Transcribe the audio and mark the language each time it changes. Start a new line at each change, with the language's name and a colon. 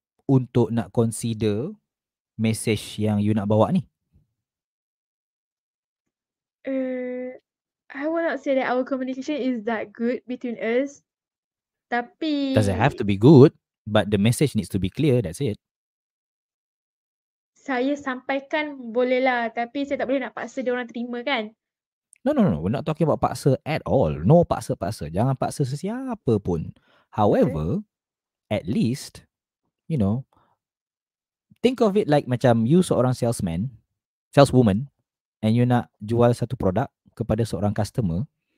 Malay: untuk nak consider message yang you nak bawa ni?
English: I will not say that our communication is that good between us.
Malay: Tapi
English: does it have to be good? But the message needs to be clear, that's it.
Malay: Saya sampaikan bolehlah, tapi saya tak boleh nak paksa dia orang terima kan?
English: No, we're not talking about paksa at all. No paksa-paksa. Jangan paksa sesiapa pun. However, at least, you know, think of it like
Malay: macam you seorang salesman,
English: saleswoman, and
Malay: you nak jual satu produk kepada seorang customer.